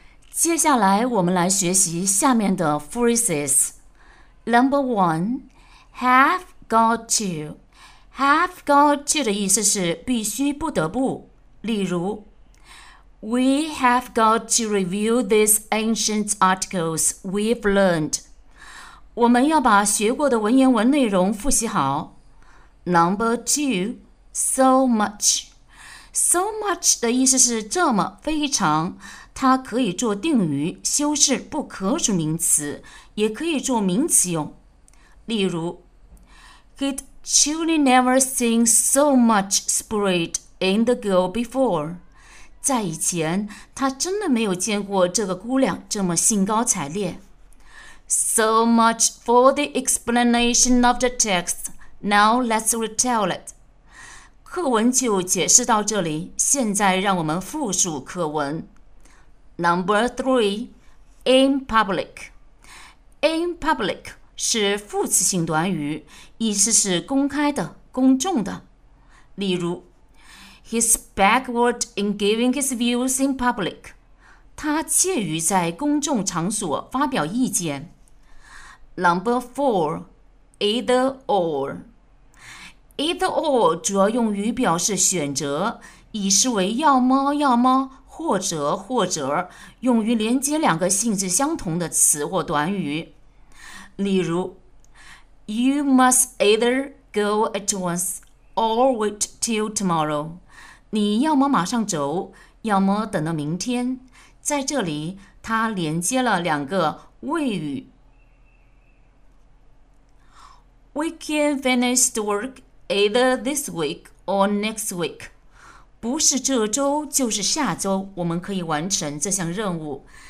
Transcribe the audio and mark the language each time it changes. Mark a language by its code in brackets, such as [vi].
[zh] 接下来我们来学习下面的 phrases. [en] Number one, have got to. Have got to [zh] 的意思是必须不得不。 [en] 例如We have got to review these ancient articles we've learned. [zh] 我们要把学过的文言文内容复习好。 [en] Number two, so much. So much [zh] 的意思是这么非常，它可以做定语，修饰不可数名词，也可以做名词用。 [en] 例如 ,He'd truly never seen so much spirit in the girl before. [zh] 在以前，他真的没有见过这个姑娘这么兴高采烈。 [en] So much for the explanation of the text. Now let's retell it. [zh] 课文就解释到这里，现在让我们复述课文。 [en] Number three, in public. In public [zh] 是副词性短语，意思是公开的、公众的。 [en] 例如He's backward in giving his views in public. [zh] 他介于在公众场所发表意见。 [en] Number four, either or. Either or [zh] 主要用于表示选择，以示为要么要么，或者或者，用于连接两个性质相同的词或短语。 [en] 例如 ,You must either go at once or wait till tomorrow. [zh] 你要么马上走，要么等到明天。在这里，它连接了两个谓语。 [en] We can finish the work either this week or next week. [zh] 不是这周，就是下周，我们可以完成这项任务。